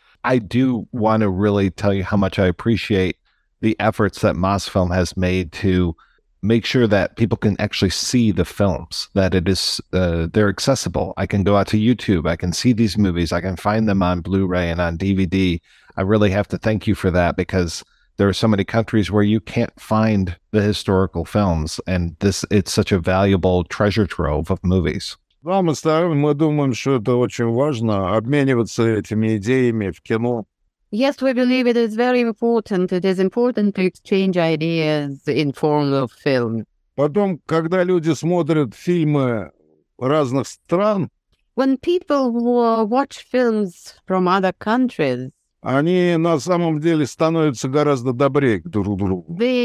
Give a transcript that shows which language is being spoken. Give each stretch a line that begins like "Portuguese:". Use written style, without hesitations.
English: I do want to really tell you how much I appreciate the efforts that Mosfilm has made to make sure that people can actually see the films, that it is, they're accessible. I can go out to YouTube. I can see these movies. I can find them on Blu-ray and on DVD. I really have to thank you for that because there are so many countries where you can't find the historical films. And this, it's such a valuable treasure trove of movies.
Russian: Да, мы ставим, мы думаем, что это очень важно, обмениваться этими идеями в кино.
English: Yes, we believe it is very important. It is important to exchange ideas in form of film.
Russian: Потом, когда люди смотрят фильмы разных стран,
English: when people watch films from other countries,
Russian: они на самом деле становятся гораздо добрее друг другу.